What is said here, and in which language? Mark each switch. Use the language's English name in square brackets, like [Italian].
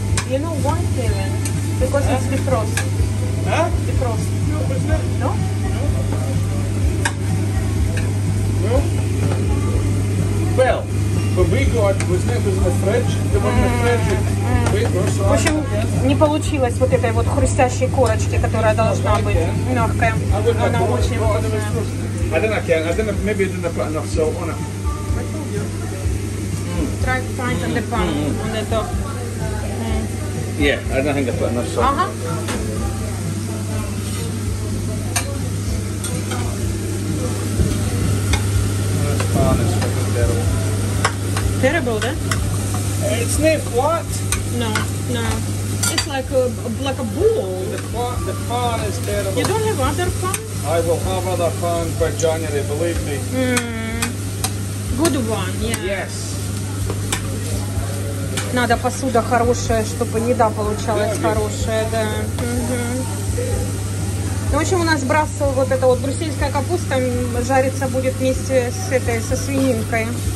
[English] You know why, Kevin? Because it's defrosted. Huh? Defrosted. No, it's not. No? No? Well, when we got, wasn't it, was in the fridge? They were in the fridge. [Russian] В общем, не получилось вот этой вот хрустящей корочки, которая должна быть мягкая. Она очень вкусная. [English] I didn't care. Maybe I didn't put enough salt on it. Try to find on the pan, on the top. Yeah, I don't think I put enough salt. Uh-huh. This pan is fucking terrible. Terrible, then? It's not flat. No. It's like a bowl. The pan is terrible. You don't have other pan? I will have other pan by January, believe me. Good one, yeah. Yes. [Russian] Надо посуда хорошая, чтобы еда получалась хорошая, да. Ну, в общем, у нас брассел вот эта вот брюссельская капуста жарится будет вместе с этой, со свининкой.